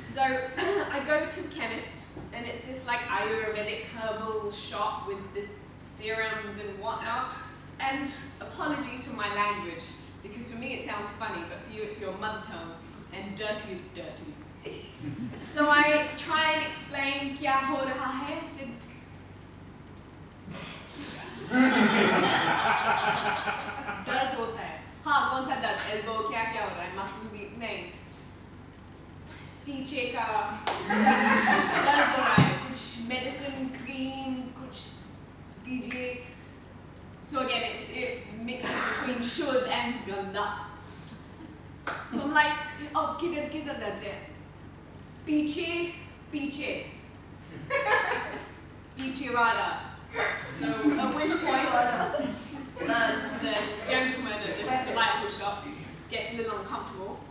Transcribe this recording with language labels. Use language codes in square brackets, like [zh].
[en] So I go to the chemist, and it's this like Ayurvedic herbal shop with this serums and whatnot. And apologies for my language, because for me it sounds funny, but for you it's your mother tongue, and dirty is dirty. So I try and explain [hi] क्या हो रहा है, [en] sid. [hi] Elbow, क्या क्या हो रहा है, muscle भी, नहीं. पीछे का, दर्द हो रहा है, कुछ मेडिसिन, क्रीम, कुछ दीजिए. [en] So again, it mixes between should and ganda. So I'm like, oh, [hi] kidhar dard hai. Piche. Piche wala. [en] So at which point, the gentleman at this delightful shop gets a little uncomfortable.